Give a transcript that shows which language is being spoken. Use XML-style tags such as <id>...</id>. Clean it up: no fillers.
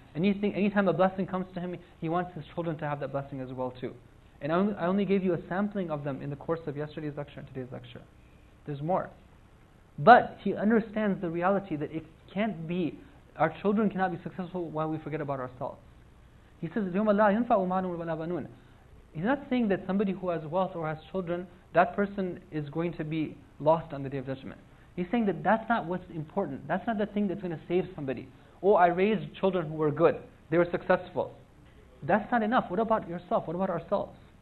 <en>Anytime a blessing comes to him, he wants his children to have that blessing as well too. And I only gave you a sampling of them in the course of yesterday's lecture and today's lecture. There's more. But he understands the reality that it can't be, our children cannot be successful while we forget about ourselves. He says,</en> <ar>يَوْمَ لَا يَنْفَعُ مَعْنُ وَلَا بَنُونَ.</ar> <en>He's not saying that somebody who has wealth or has children, that person is going to be lost on the Day of Judgment. He's saying that that's not what's important. That's not the thing that's going to save somebody. Oh, I raised children who were good. They were successful. That's not enough. What about yourself? What about ourselves?</en>